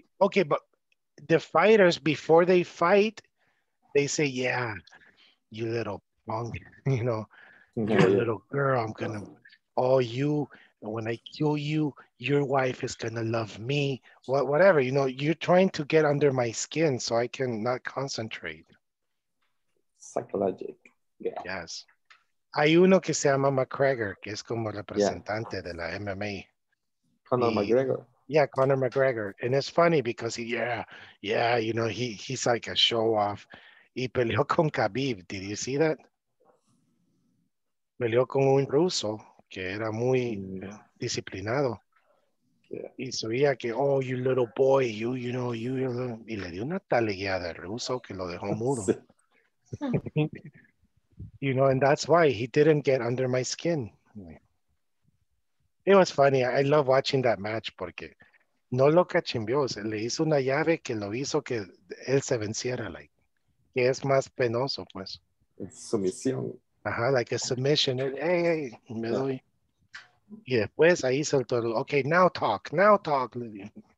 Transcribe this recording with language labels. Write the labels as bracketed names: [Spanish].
[English] Okay, but the fighters, before they fight, they say, yeah, you little punk, you know, you little girl, I'm gonna... Oh, you, when I kill you, your wife is gonna love me, whatever. You know, you're trying to get under my skin so I can not concentrate. Psychologic, yeah. Yes. [Spanish] Hay uno que se llama McGregor, que es como representante de la MMA. [English] Conor McGregor. And it's funny because he's like a show off. [Spanish] Y peleó con Khabib. [English] Did you see that? [Spanish] Peleó con un ruso que era muy disciplinado. [English] Yeah. [Spanish] Y sabía que, [English] oh, you little boy, you know. [Spanish] Y le dio una taleguada al ruso que lo dejó mudo. [English] You know, and that's why he didn't get under my skin. It was funny. I love watching that match [Spanish] porque no lo cachimbió, se le hizo una llave que lo hizo que él se venciera, like, que es más penoso, pues. Sumisión. [English] Ajá, like a submission. Hey, hey, [Spanish] me doy. Y después ahí soltó, okay, [English] now talk, [Spanish] Lydia.